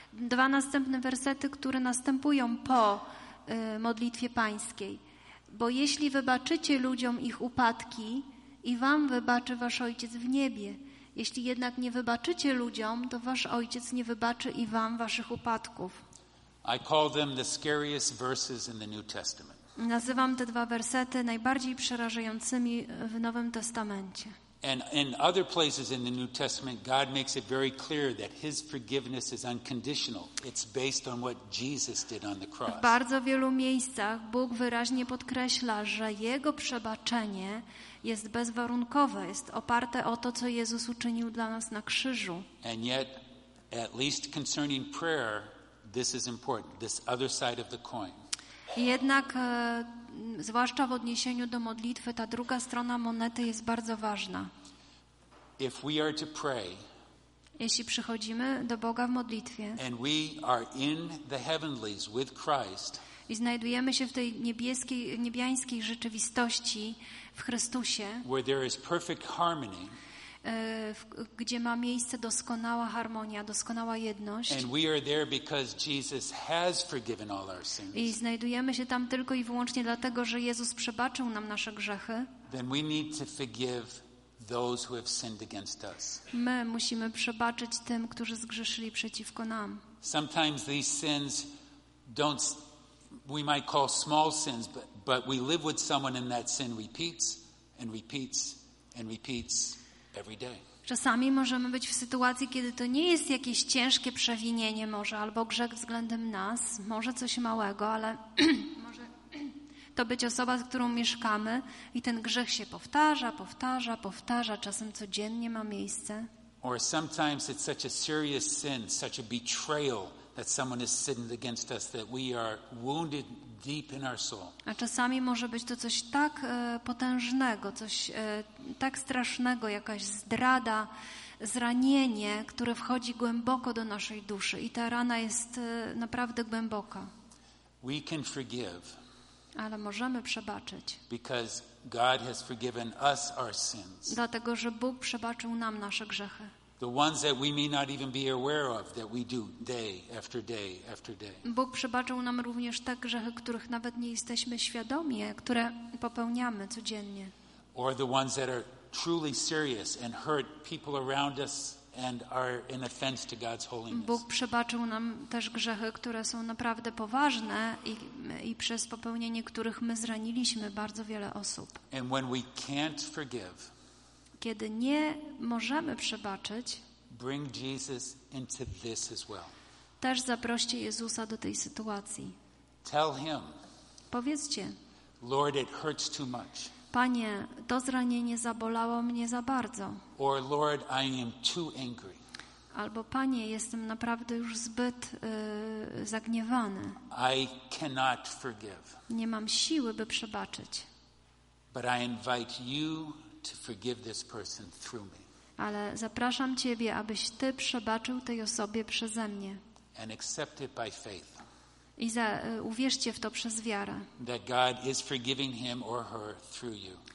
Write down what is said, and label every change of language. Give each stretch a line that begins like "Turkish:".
Polish: dwa następne wersety, które następują po modlitwie pańskiej. Bo jeśli wybaczycie ludziom ich upadki, i wam wybaczy wasz Ojciec w niebie. Jeśli jednak nie wybaczycie ludziom, to wasz Ojciec nie wybaczy i wam waszych upadków.
English: I call them the scariest verses in the New Testament.
Polish: Nazywam te dwa wersety najbardziej przerażającymi w Nowym Testamencie.
English: And in other places in the New Testament, God makes it very clear that His forgiveness is unconditional. It's based on what Jesus did on the cross.
Polish: W bardzo wielu miejscach Bóg wyraźnie podkreśla, że Jego przebaczenie jest bezwarunkowe, jest oparte o to, co Jezus uczynił dla nas na krzyżu.
English: And yet, at least concerning prayer, this is important. This other side of the coin.
Polish: Jednak zwłaszcza w odniesieniu do modlitwy, ta druga strona monety jest bardzo ważna.
English: If we are to pray,
Polish: jeśli przychodzimy do Boga w modlitwie
English: and we are in the heavenlies with Christ,
Polish: i znajdujemy się w tej niebiańskiej rzeczywistości w Chrystusie,
English: where there is perfect harmony,
Polish: gdzie ma miejsce doskonała harmonia, doskonała jedność.
English: And we are there because Jesus has forgiven all our sins.
Polish: I znajdujemy się tam tylko i wyłącznie dlatego, że Jezus przebaczył nam nasze grzechy.
English: Then we need to forgive those who have sinned against us.
Polish: My musimy przebaczyć tym, którzy zgrzeszyli przeciwko nam.
English: Sometimes these sins don't we might call small sins, but we live with someone and that sin repeats and repeats and repeats.
Polish: Czasami możemy być w sytuacji, kiedy to nie jest jakieś ciężkie przewinienie może, albo grzech względem nas, może coś małego, ale może to być osoba, z którą mieszkamy i ten grzech się powtarza, powtarza, powtarza, czasem codziennie ma miejsce.
English: Or sometimes it's such a serious sin, such a betrayal that someone has sinned against us that we are wounded deep in our soul.
Polish: A czasami może być to coś tak potężnego, coś tak strasznego, jakaś zdrada, zranienie, które wchodzi głęboko do naszej duszy i ta rana jest naprawdę głęboka.
English: We can forgive.
Polish: Ale możemy przebaczyć.
English: Because God has forgiven us our sins.
Polish: Dlatego, że Bóg przebaczył nam nasze grzechy.
English: The ones that we may not even be aware of that we do day after day after day.
Polish: Bóg przebaczył nam również te grzechy, których nawet nie jesteśmy świadomi, które popełniamy codziennie.
English: Or the ones that are truly serious and hurt people around us and are in offense to God's holiness.
Polish: Bóg przebaczył nam też grzechy, które są naprawdę poważne i przez popełnienie których my zraniliśmy bardzo wiele osób.
English: And when we can't forgive,
Polish: kiedy nie możemy przebaczyć,
English: bring Jesus into this as well.
Polish: Też zaproście Jezusa do tej sytuacji.
English: Tell him,
Polish: powiedzcie,
English: Lord, it hurts too much.
Polish: Panie, to zranienie zabolało mnie za bardzo.
English: Or, Lord, I am too angry.
Polish: Albo Panie, jestem naprawdę już zbyt zagniewany.
English: I cannot forgive.
Polish: Nie mam siły, by przebaczyć.
English: But I invite you to forgive this person through me.
Polish: Ale zapraszam Ciebie, abyś Ty przebaczył tej osobie przeze mnie.
English: And accept it by faith.
Polish: I uwierzcie w to przez wiarę,
English: that God is forgiving him or her through you.